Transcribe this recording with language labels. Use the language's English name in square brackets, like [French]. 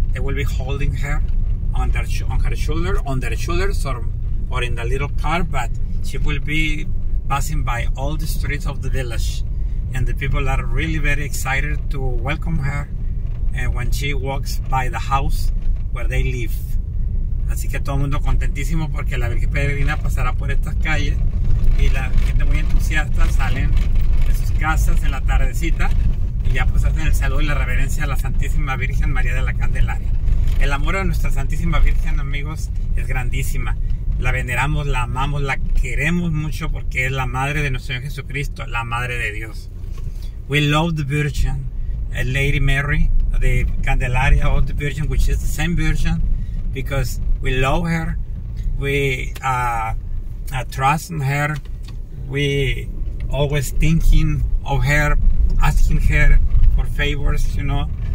[English] They will be holding her on their shoulders or in the little car, but she will be passing by all the streets of the village, and the people are really very excited to welcome her when she walks by the house where they live. [Spanish] Así que todo el mundo contentísimo porque la Virgen Peregrina pasará por estas calles, y la gente muy entusiasta salen de sus casas en la tardecita y ya pues hacen el saludo y la reverencia a la Santísima Virgen María de la Candelaria. El amor a nuestra Santísima Virgen, amigos, es grandísima. La veneramos, la amamos, la queremos mucho porque es la madre de nuestro Señor Jesucristo, la madre de Dios. [English] We love the Virgin, Lady Mary, the Candelaria of the Virgin, which is the same Virgin, because we love her, we trust in her, we always thinking of her, asking her for favors, you know.